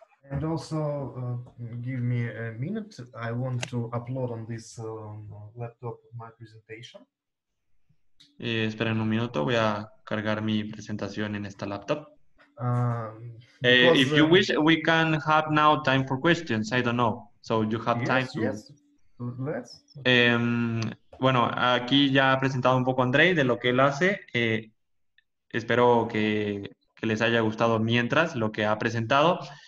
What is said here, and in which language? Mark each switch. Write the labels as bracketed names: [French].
[English] And also, give me a minute. I want to upload on this laptop my presentation. [Spanish] Esperen un minuto, voy a cargar mi presentación en esta laptop. [English] If you wish, we can have now time for questions. I don't know. So you have time to... Yes, let's. [Spanish] Bueno, aquí ya ha presentado un poco André de lo que él hace. Espero que les haya gustado mientras lo que ha presentado.